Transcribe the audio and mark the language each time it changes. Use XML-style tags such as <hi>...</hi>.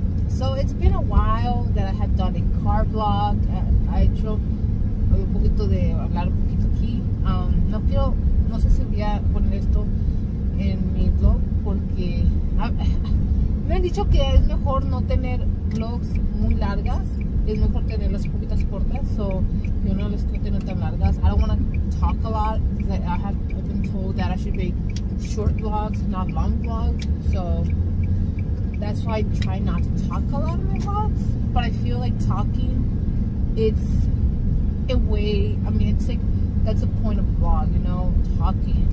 <en>So, it's been a while that I have done a car vlog. I drove</en> <es>un poquito de hablar un poquito aquí. No quiero, no sé si voy a poner esto en mi vlog porque. Me han dicho que es mejor no tener vlogs muy largas, es mejor tenerlas un poquito cortas, so yo no les quiero tener tan largas.</es> <en>I don't want to talk a lot, because I've been told that I should make short vlogs, not long vlogs, so that's why I try not to talk a lot of my thoughts. But I feel like talking, it's a way, I mean, it's like, that's a point of vlog, you know, talking.</en>